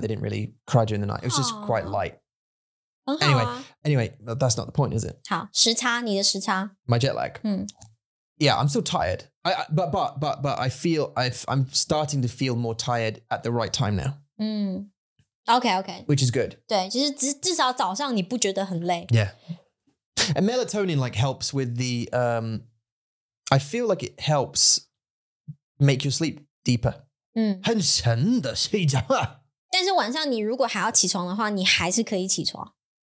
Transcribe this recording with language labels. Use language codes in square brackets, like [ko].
[en] They didn't really cry during the night. It was just quite light. Anyway, that's not the point, is it? [zh] 好,时差,你的时差. [en] My jet lag. Yeah, I'm still tired. I'm starting to feel more tired at the right time now. Okay. Which is good. [zh] 对，就是至少早上你不觉得很累。 [en] Yeah. And melatonin like helps with the, I feel like it helps make your sleep deeper. 嗯。 [zh] 很沉的睡着啊。但是晚上你如果还要起床的话，你还是可以起床。